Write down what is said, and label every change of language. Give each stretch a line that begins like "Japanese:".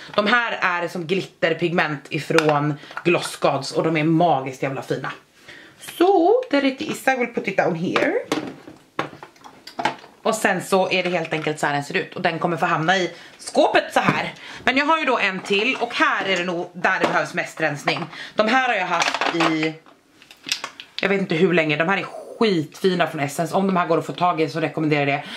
Swedish: De här är som glitterpigment ifrån Gloss Gods. Och de är magiskt jävla fina. Så,
English: there it is. I will put it down here.
Swedish: Och sen så är det helt enkelt så här den ser ut. Och den kommer få hamna i skåpet så här. Men jag har ju då en till. Och här är det nog där det behövs mest rensning. De här har jag haft i... Jag vet inte hur länge. De här är skitfina från Essence. Om de här går att få tag i så rekommenderar jag det.